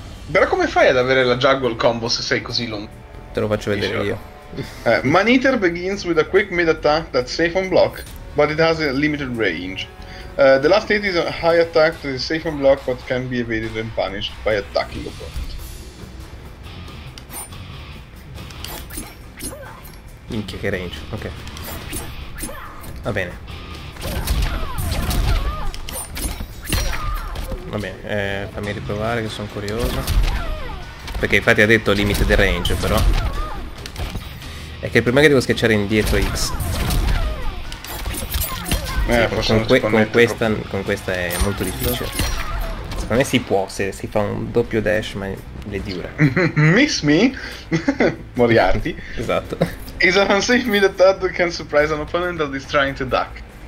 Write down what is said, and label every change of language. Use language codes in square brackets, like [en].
[it] Però come fai ad avere la juggle combo se sei così lontanissima? Lo faccio vedere io. [en] Maneater begins with a quick mid attack that's safe on block, but it has a limited range. The last hit is a high attack that is safe on block but can be evaded and punished by attacking opponent. [it] Minchia, che range, ok. Va bene. Va bene, fammi riprovare che sono curioso. Perché infatti ha detto limite del range, però. È che prima che devo schiacciare indietro X. Sì, Forse non si connette proprio. con questa è molto difficile. Secondo me si può, se si fa un doppio dash, ma le dura. [en] Miss me? Moriarty. [it] Esatto. [en] Is an unsafe mid attack that can surprise an opponent that is trying to duck.